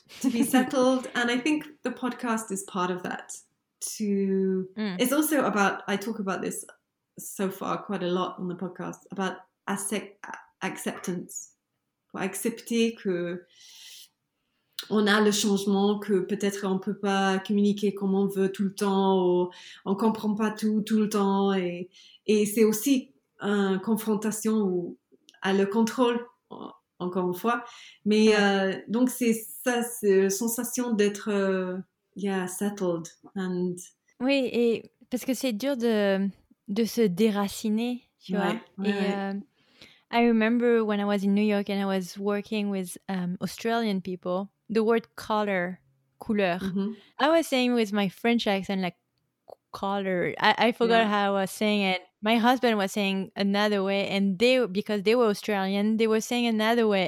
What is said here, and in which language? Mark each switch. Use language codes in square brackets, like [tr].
[en] To be settled, and I think the podcast is part of that. It's also about, I talk about this so far quite a lot on the podcast, about acceptance. [fr] Accepter que on a le changement, que peut-être on peut pas communiquer comme on veut tout le temps, ou on comprend pas tout le temps, et c'est aussi une confrontation ou à le contrôle, encore une fois. Mais donc, c'est ça, c'est la sensation d'être settled. [en] And... [fr] Oui, et parce que c'est dur de se déraciner, tu vois. Ouais. [en] Et I remember when I was in New York and I was working with Australian people, the word color, couleur. Mm-hmm. I was saying with my French accent, like, color. I forgot how I was saying it. My husband was saying another way, and they, because they were Australian, they were saying another way.